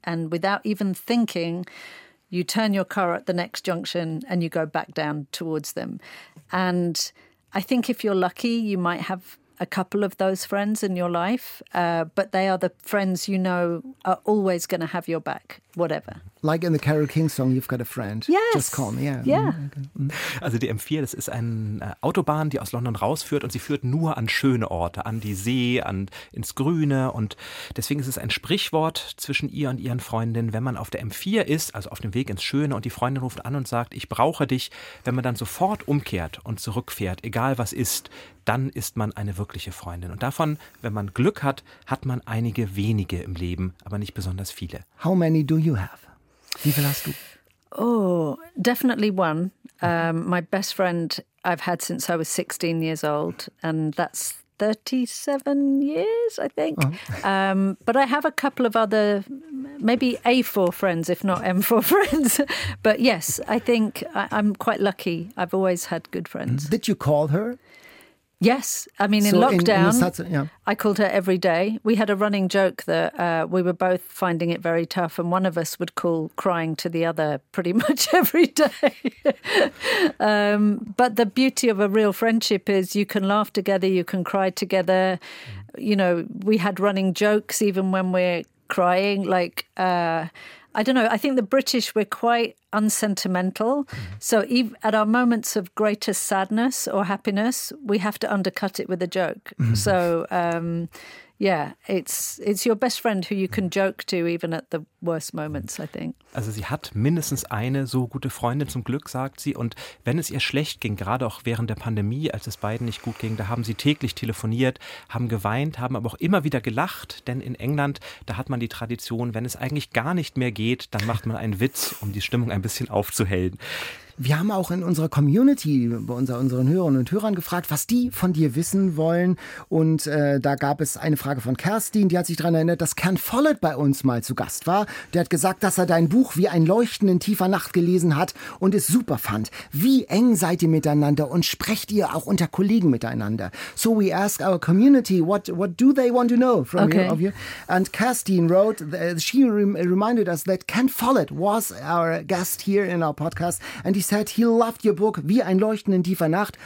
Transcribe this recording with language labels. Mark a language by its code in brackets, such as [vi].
[en] And without even thinking, you turn your car at the next junction and you go back down towards them. And I think if you're lucky, you might have a couple of those friends in your life, but they are the friends you know are always going to have your back, whatever. Like in the Carole King song, you've got a friend. Yes. Just call me. Yeah. Yeah. [de] Also die M4, das ist eine Autobahn, die aus London rausführt und sie führt nur an schöne Orte, an die See, an ins Grüne. Und deswegen ist es ein Sprichwort zwischen ihr und ihren Freundinnen, wenn man auf der M4 ist, also auf dem Weg ins Schöne und die Freundin ruft an und sagt, ich brauche dich, wenn man dann sofort umkehrt und zurückfährt, egal was ist, dann ist man eine wirkliche Freundin. Und davon, wenn man Glück hat, hat man einige wenige im Leben, aber nicht besonders viele. [en] How many do you have? [de] Wie viel hast du? [en] Oh, definitely one. My best friend I've had since I was 16 years old, and that's 37 years, I think. But I have a couple of other, maybe A4 friends, if not M4 friends. But yes, I think I'm quite lucky. I've always had good friends. Did you call her? Yes, I mean, in lockdown, I called her every day. We had a running joke that we were both finding it very tough, and one of us would call crying to the other pretty much every day. But the beauty of a real friendship is you can laugh together, you can cry together. You know, we had running jokes even when we're crying, like... I don't know. I think the British, we're quite unsentimental. So at our moments of greatest sadness or happiness, we have to undercut it with a joke. Mm-hmm. So, it's your best friend who you can joke to even at the worst moments, I think. [de] Also sie hat mindestens eine so gute Freundin zum Glück, sagt sie. Und wenn es ihr schlecht ging, gerade auch während der Pandemie, als es beiden nicht gut ging, da haben sie täglich telefoniert, haben geweint, haben aber auch immer wieder gelacht. Denn in England, da hat man die Tradition, wenn es eigentlich gar nicht mehr geht, dann macht man einen Witz, um die Stimmung ein bisschen aufzuhellen. Wir haben auch in unserer Community bei unseren Hörerinnen und Hörern gefragt, was die von dir wissen wollen. Und da gab es eine Frage von Kerstin, die hat sich daran erinnert, dass Ken Follett bei uns mal zu Gast war. Der hat gesagt, dass er dein Buch wie ein Leuchten in tiefer Nacht gelesen hat und es super fand. Wie eng seid ihr miteinander und sprecht ihr auch unter Kollegen miteinander? [en] So we ask our community, what do they want to know from okay. you? And Kerstin wrote, she reminded us that Ken Follett was our guest here in our podcast. And he said he loved your book, Wie ein Leuchten in tiefer Nacht.